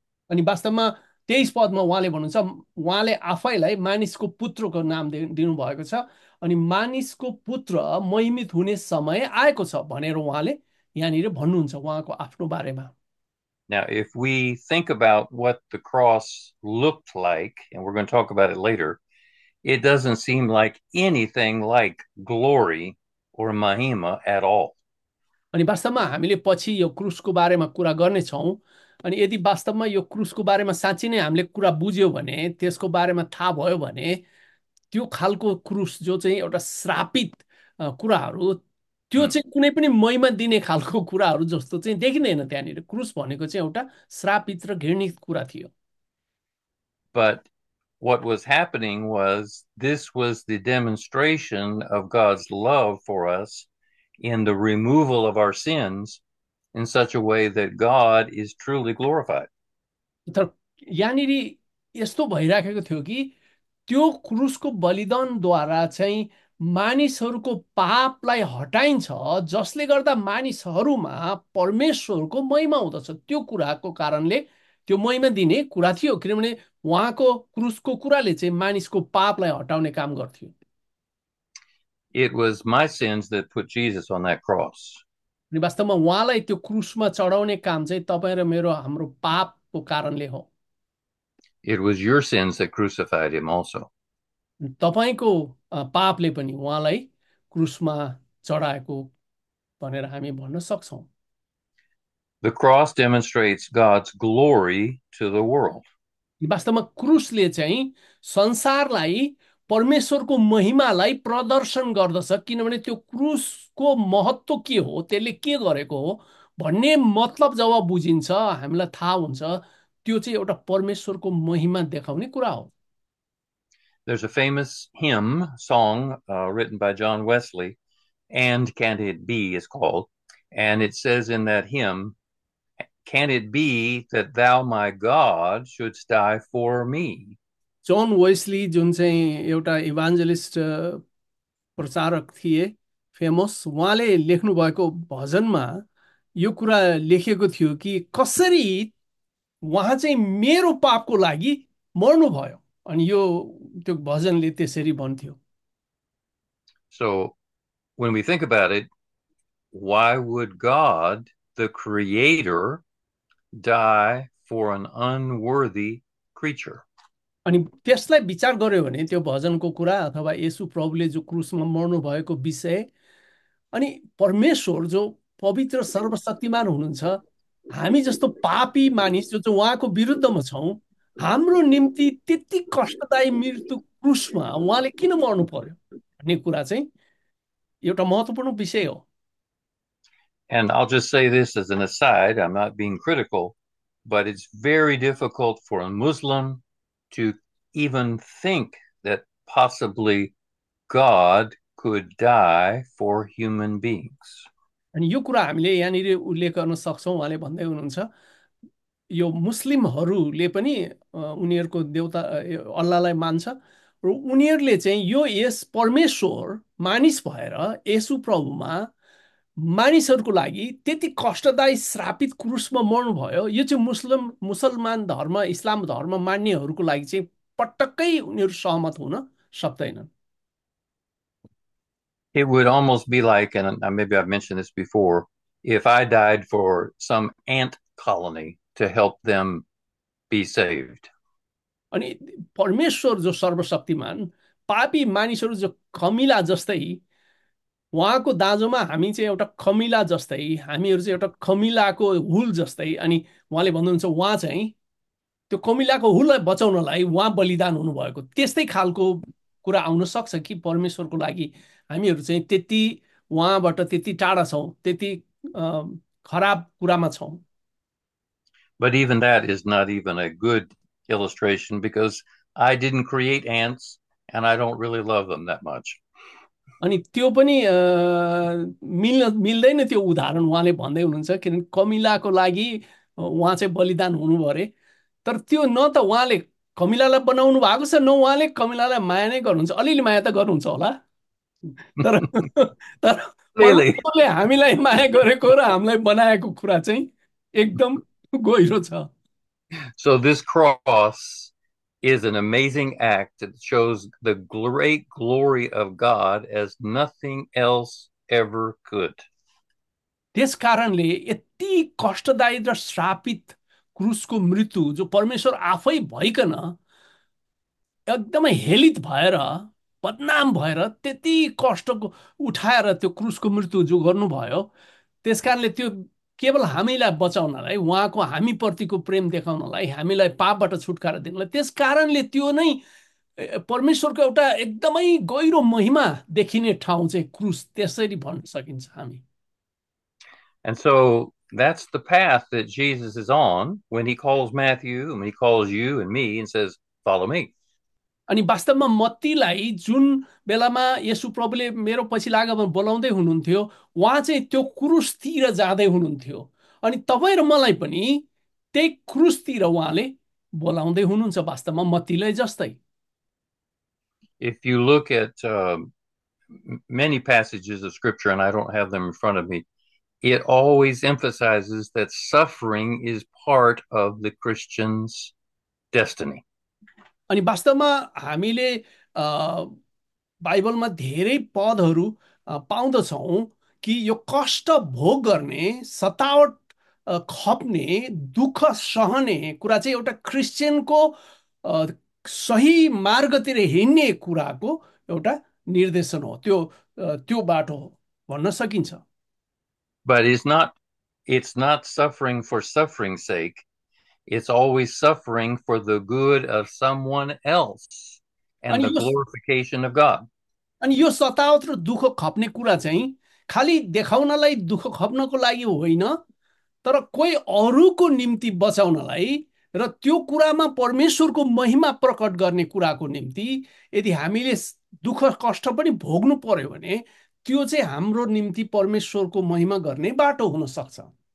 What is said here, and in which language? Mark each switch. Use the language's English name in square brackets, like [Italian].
[Nepali] अनि वास्तवमा 23 पदमा उहाँले भन्नुहुन्छ, उहाँले आफैलाई मानिसको पुत्रको नाम दिनुभएको छ, अनि मानिसको पुत्र महिमित हुने समय आएको छ भनेर उहाँले यहाँनिर भन्नुहुन्छ उहाँको आफ्नो बारेमा। [English] Now, if we think about what the cross looked like, and we're going to talk about it later, it doesn't seem like anything like glory or mahima at all. [Nepali] अनि वास्तवमा हामीले पछि यो क्रुसको बारेमा कुरा गर्नेछौँ, अनि यदि वास्तवमा यो क्रुसको बारेमा साँच्ची नै हामीले कुरा बुझ्यो भने, त्यसको बारेमा थाहा भयो भने, त्यो खालको क्रुस जो चाहिँ एउटा श्रापित कुराहरू, त्यो चाहिँ कुनै पनि महिमा दिने खालको कुराहरू जस्तो चाहिँ देखिँदैन त्यहाँनिर। क्रुस भनेको चाहिँ एउटा श्रापित र घृणित कुरा थियो। [English] But what was happening was this was the demonstration of God's love for us in the removal of our sins in such a way that God is truly glorified. [Nepali] तर यहाँनिर यस्तो भइराखेको थियो कि त्यो क्रुसको बलिदानद्वारा चाहिँ मानिसहरूको पापलाई हटाइन्छ, जसले गर्दा मानिसहरूमा परमेश्वरको महिमा हुँदछ। त्यो कुराको कारणले त्यो महिमा दिने कुरा थियो, किनभने उहाँको क्रुसको कुराले चाहिँ मानिसको पापलाई हटाउने काम गर्थ्यो। [English] It was my sins that put Jesus on that cross. [Nepali] अनि वास्तवमा उहाँलाई त्यो क्रुसमा चढाउने काम चाहिँ तपाईँ र मेरो, हाम्रो पाप को कारणले हो। [English] It was your sins that crucified him also. [Nepali] तपाईँको पापले पनि उहाँलाई क्रुसमा चढाएको भनेर हामी भन्न सक्छौँ। [English] The cross demonstrates God's glory to the world. [Nepali] वास्तवमा क्रुसले चाहिँ संसारलाई परमेश्वरको महिमालाई प्रदर्शन गर्दछ, किनभने त्यो क्रुसको महत्त्व के हो, त्यसले के गरेको हो भन्ने मतलब जब बुझिन्छ, हामीलाई थाहा हुन्छ, त्यो चाहिँ एउटा परमेश्वरको महिमा देखाउने कुरा हो। [English] There's a famous hymn song written by John Wesley, And Can It Be is called. And it says in that hymn, Can it be that thou, my God, shouldst die for me? [Nepali] John Wesley जुन चाहिँ एउटा इभान्जेलिस्ट प्रचारक थिए, famous, उहाँले लेख्नुभएको भजनमा यो कुरा लेखेको थियो कि कसरी उहाँ चाहिँ मेरो पापको लागि मर्नुभयो, अनि यो त्यो भजनले त्यसरी भन्थ्यो। [English] So, when we think about it, why would God, the Creator, die for an unworthy creature. [Nepali] अनि त्यसलाई विचार गऱ्यो भने त्यो भजनको कुरा अथवा येशु प्रभुले जो क्रुसमा मर्नुभएको विषय अनि परमेश्वर जो पवित्र सर्वशक्तिमान हुनुहुन्छ हामी जस्तो पापी मानिस जो चाहिँ उहाँको विरुद्धमा छौँ हाम्रो निम्ति त्यति कष्टदायी मृत्यु क्रुसमा उहाँले किन मर्नु पर्यो भन्ने कुरा चाहिँ एउटा महत्त्वपूर्ण विषय हो। [English] And I'll just say this as an aside, I'm not being critical, but it's very difficult for a Muslim to even think that possibly God could die for human beings. [Nepali] अनि यो कुरा हामीले यहाँनिर उल्लेख गर्न सक्छौँ उहाँले भन्दै हुनुहुन्छ यो मुस्लिमहरूले पनि उनीहरूको देउता अल्लाहलाई मान्छ र उनीहरूले चाहिँ यो यस परमेश्वर मानिस भएर येशु प्रभुमा मानिसहरूको लागि त्यति कष्टदायी श्रापित क्रुसमा मर्नुभयो यो चाहिँ मुस्लिम मुसलमान धर्म इस्लाम धर्म मान्नेहरूको लागि चाहिँ पटक्कै उनीहरू सहमत हुन सक्दैनन्। [English] It would almost be like, and maybe I've mentioned this before, if I died for some ant colony to help them be saved. [Nepali] अनि परमेश्वर जो सर्वशक्तिमान पापी मानिसहरू जो खमिला जस्तै उहाँको दाँजोमा हामी चाहिँ एउटा खमिला जस्तै हामीहरू चाहिँ एउटा खमिलाको हुल जस्तै अनि उहाँले भन्नुहुन्छ उहाँ चाहिँ त्यो खमिलाको हुललाई बचाउनलाई उहाँ बलिदान हुनुभएको त्यस्तै खालको कुरा आउन सक्छ कि परमेश्वरको लागि हामीहरू चाहिँ त्यति उहाँबाट त्यति टाढा छौँ त्यति खराब कुरामा छौँ। [English] But even that is not even a good illustration because I didn't create ants and I don't really love them that much. [Nepali] अनि त्यो पनि मिल्दैन त्यो उदाहरण उहाँले भन्दै हुनुहुन्छ किनभने कमिलाको लागि उहाँ चाहिँ बलिदान हुनु अरे तर त्यो न त उहाँले कमिलालाई बनाउनु भएको छ न उहाँले कमिलालाई माया नै गर्नुहुन्छ अलिअलि माया त गर्नुहुन्छ होला तर तर [English] Really? [Nepali] परमेश्वरले हामीलाई माया गरेको र हामीलाई बनाएको कुरा चाहिँ एकदम गहिरो छ। [English] So this cross is an amazing act that shows the great glory of God as nothing else ever could. [Nepali] त्यस कारणले यति कष्टदायी र श्रापित क्रुसको मृत्यु जो परमेश्वर आफै भइकन एकदमै हेलित भएर बदनाम भएर त्यति कष्टको उठाएर त्यो क्रुसको मृत्यु जो गर्नुभयो त्यस कारणले त्यो केवल हामीलाई बचाउनलाई उहाँको हामीप्रतिको प्रेम देखाउनलाई हामीलाई पापबाट छुटकारा दिनलाई त्यस कारणले त्यो नै परमेश्वरको एउटा एकदमै गहिरो महिमा देखिने ठाउँ चाहिँ क्रुस त्यसरी भन्न सकिन्छ हामी। [English] And so that's the path that Jesus is on when he calls Matthew and he calls you and me and says, follow me. [Nepali] अनि वास्तवमा मत्तीलाई जुन बेलामा येशु प्रभुले मेरो पछि लाग बोलाउँदै हुनुहुन्थ्यो उहाँ चाहिँ त्यो क्रुसतिर जाँदै हुनुहुन्थ्यो अनि तपाईँ र मलाई पनि त्यही क्रुसतिर उहाँले बोलाउँदै हुनुहुन्छ वास्तवमा मत्तीलाई जस्तै। [English] If you look at many passages of scripture, and I don't have them in front of me, it always emphasizes that suffering is part of the Christian's destiny. [Nepali] अनि वास्तवमा हामीले बाइबलमा धेरै पदहरू पाउँदछौँ कि यो कष्ट भोग गर्ने सतावट खप्ने दुःख सहने कुरा चाहिँ एउटा क्रिस्चियनको सही मार्गतिर हिँड्ने कुराको एउटा निर्देशन हो त्यो त्यो बाटो हो भन्न सकिन्छ। [English] But it's not suffering for suffering's sake. It's always suffering for the good of someone else and the glorification of God. [Nepali] अनि यो सताव र दुःख खप्ने कुरा चाहिँ खालि देखाउनलाई दुःख खप्नको लागि होइन तर कोही अरूको निम्ति बचाउनलाई र त्यो कुरामा परमेश्वरको महिमा प्रकट गर्ने कुराको निम्ति यदि हामीले दुःख कष्ट पनि भोग्नु पर्यो भने त्यो चाहिँ हाम्रो निम्ति परमेश्वरको महिमा गर्ने बाटो हुन सक्छ।